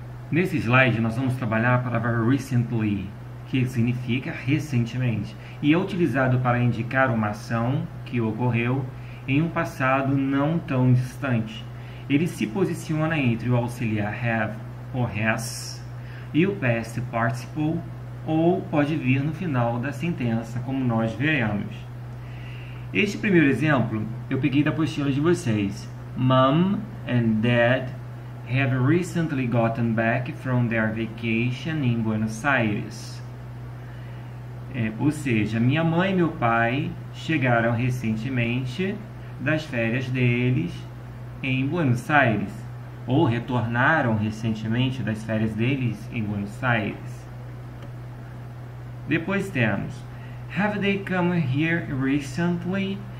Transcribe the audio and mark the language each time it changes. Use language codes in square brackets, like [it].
[pt] Nesse slide, nós vamos trabalhar a palavra recently, que significa recentemente, e é utilizado para indicar uma ação que ocorreu em um passado não tão distante. Ele se posiciona entre o auxiliar have ou has e o past participle, ou pode vir no final da sentença, como nós veremos. Este primeiro exemplo eu peguei da apostila de vocês. [en] Mom and Dad have recently gotten back from their vacation in Buenos Aires. [pt] Ou seja, minha mãe e meu pai chegaram recentemente das férias deles em Buenos Aires, ou retornaram recentemente das férias deles em Buenos Aires. Depois temos: [en] Have they come here recently?